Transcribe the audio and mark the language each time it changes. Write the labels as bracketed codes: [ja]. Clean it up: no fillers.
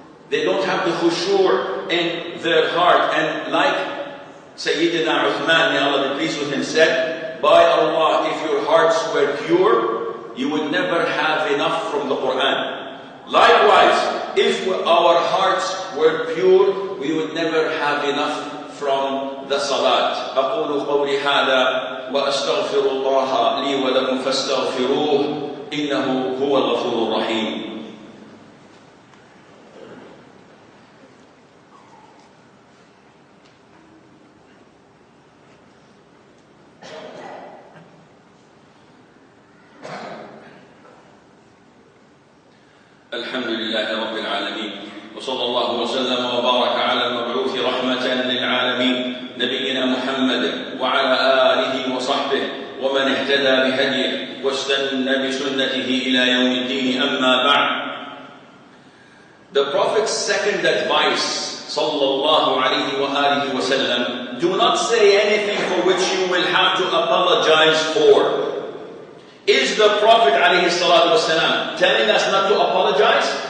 [en] They don't have the khushur in their heart. And like Sayyidina Uthman, may Allah be pleased with him, said, by Allah, if your hearts were pure, you would never have enough from the Quran. Likewise, if our hearts were pure, we would never have enough from the salat. [ar] أقول قولي هذا وأستغفر الله لي ولكم فاستغفروه إنه هو الغفور الرحيم. الحمد لله رب العالمين وصلى الله وسلم وبارك على المبعوث رحمة للعالمين نبينا محمد وعلى آله وصحبه ومن اهتدى بهديه واستنى بسنته إلى يوم الدين أما بعد. [en] The Prophet's second advice [ar] صلى الله عليه وآله وسلم, [en] do not say anything for which you will have to apologize for. Is the Prophet [ar] عليه الصلاة والسلام [en] telling us not to apologize?